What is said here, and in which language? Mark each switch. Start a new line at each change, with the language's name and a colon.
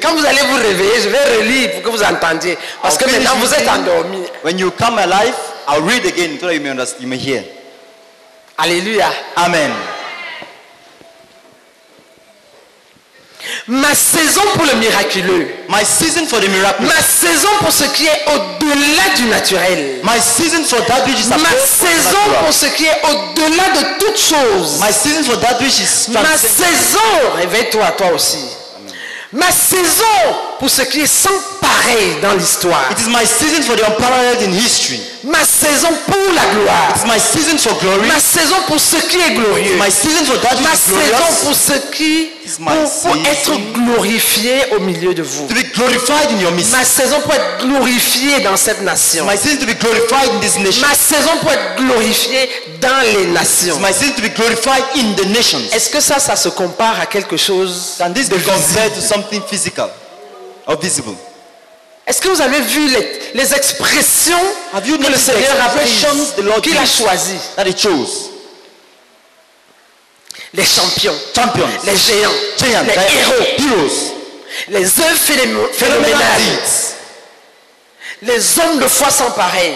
French: Quand vous allez vous réveiller, je vais relire pour que vous entendiez, parce que maintenant vous êtes endormi.
English: When you come alive, I'll read again so that you may understand, you may hear. Alléluia. Amen.
French: Ma saison pour le miraculeux.
English: My season for the miraculous.
French: Ma saison pour ce qui est au-delà du naturel.
English: My season for that which is above.
French: Ma saison pour ce qui est au-delà de toute chose.
English: My season for that which is
French: transcendent. Ma saison, réveille-toi toi aussi. Ma saison pour ce qui est sans pareil dans l'histoire.
English: It is my season for the unparalleled in history.
French: Ma saison pour la gloire.
English: It is my season for glory.
French: Ma saison pour ce qui est glorieux.
English: My season for that
French: ma
English: is glorious.
French: Ma saison pour ce qui pour être glorifié au milieu de vous.
English: To be glorified in your midst.
French: Ma saison pour être glorifié dans cette nation.
English: My season to be glorified in this nation.
French: Ma saison pour être glorifié dans les nations.
English: It's my season to be glorified in the nations.
French: Est-ce que ça se compare à quelque chose
English: can this be compared to something physical or visible?
French: Est-ce que vous avez vu les expressions que le Seigneur a prises, qu'il a choisies? Les champions,
English: champions,
French: les géants,
English: giants,
French: les héros,
English: heroes,
French: les œuvres phénoménales, les hommes de foi sans pareil,